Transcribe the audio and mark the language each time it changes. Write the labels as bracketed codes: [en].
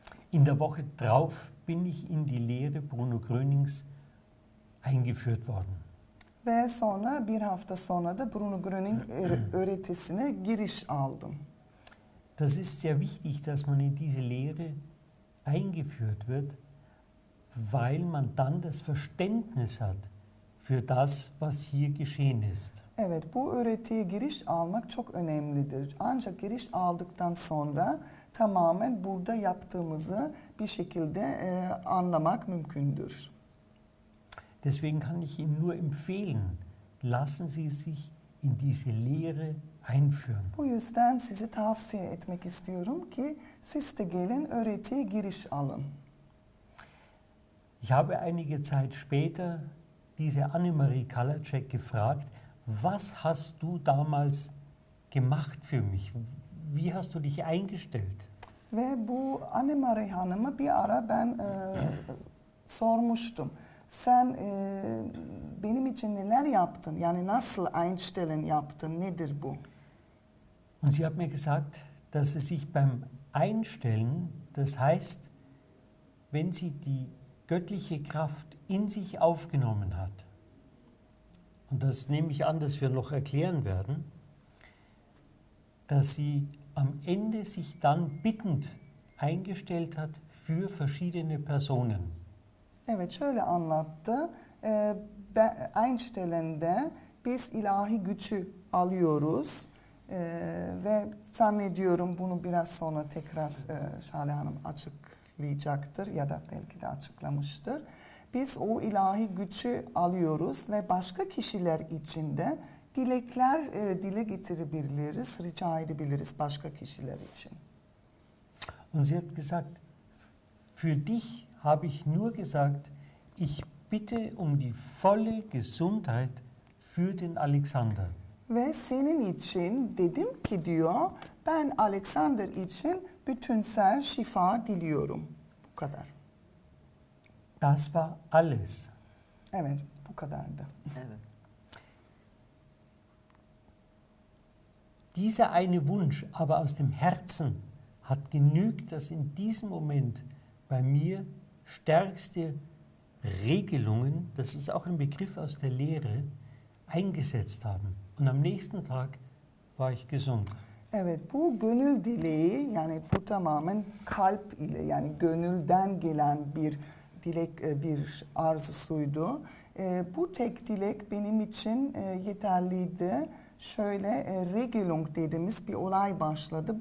[de] In der Woche drauf bin ich in die Lehre Bruno Grönings eingeführt worden. [tr] Ve sonra bir hafta sonra da Bruno Gröning öğretisine giriş aldım. [de] Das ist sehr wichtig, dass man in diese Lehre eingeführt wird, weil man dann das Verständnis hat für das, was hier geschehen ist. [tr] Evet, bu öğretiye giriş almak çok önemlidir. Ancak giriş aldıktan sonra tamamen burada yaptığımızı bir şekilde anlamak mümkündür. [de] Deswegen kann ich Ihnen nur empfehlen, lassen Sie sich in diese Lehre einführen. [tr] Bu yüzden sizi tavsiye etmek istiyorum ki siz de gelin öğretiye giriş alın. [de] Ich habe einige Zeit später diese Annemarie Kalacek gefragt, was hast du damals gemacht für mich? Wie hast du dich eingestellt? [tr] Ve bu Annemarie Hanım'a bir ara ben sormuştum. Sen benim için neler yaptın? Yani nasıl einstellen yaptın? Nedir bu? [de] Und sie hat mir gesagt, dass es sich beim Einstellen, das heißt, wenn sie die göttliche Kraft in sich aufgenommen hat, und das nehme ich an, dass wir noch erklären werden, dass sie am Ende sich dann bittend eingestellt hat für verschiedene Personen. [tr] Evet, şöyle anlattı. Einstellende biz ilahi gücü alıyoruz. Ve zannediyorum bunu biraz sonra tekrar Şale Hanım açıklayacaktır ya da belki de açıklamıştır. Biz o ilahi gücü alıyoruz ve başka kişiler için de dilekler dile getirebiliriz, rica edebiliriz başka kişiler için. [de] Und sie hat gesagt, für dich habe ich nur gesagt, ich bitte um die volle Gesundheit für den Alexander. [tr] Ve senin için dedim ki diyor, ben Alexander için bütünsel şifa diliyorum. Bu kadar. [de] Das war alles. [tr] Evet, bu kadardı. [de] Dieser eine Wunsch, aber aus dem Herzen, hat genügt, dass in diesem Moment bei mir stärkste Regelungen, das ist auch ein Begriff aus der Lehre, eingesetzt haben. Und am nächsten Tag war ich gesund. [tr] Evet, bu gönül dileği, yani bu tamamen kalp ile, yani gönülden gelen bir dilek, bir arzusuydu. Bu tek dilek benim için yeterliydi. Şöyle Regelung dediğimiz bir olay başladı.